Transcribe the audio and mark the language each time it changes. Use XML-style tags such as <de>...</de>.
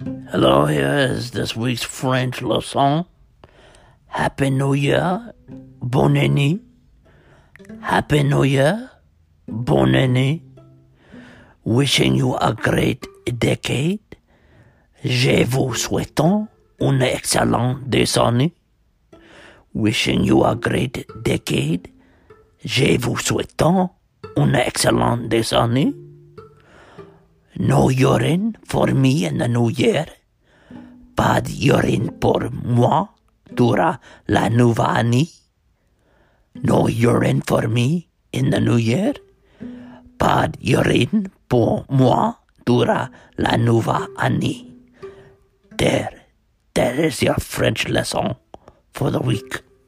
<en>Hello, here is this week's French leçon. Happy New Year,</en> <fr>bon année.</fr> <en>Happy New Year, bon année. Wishing you a great decade.</en> <fr>Je vous souhaite une excellente décennie.</fr> <en>Wishing you a great decade.</en> <fr>Je vous souhaite une excellente décennie.</fr> <en>No urine for me in the new year.</en> <fr>Pas d'urine pour moi durant la nouvelle année.</fr> <en>No urine for me in the new year.</en> <fr>Pas d'urine pour moi durant la nouvelle année.</fr> <en>There is your French lesson for the week.</en>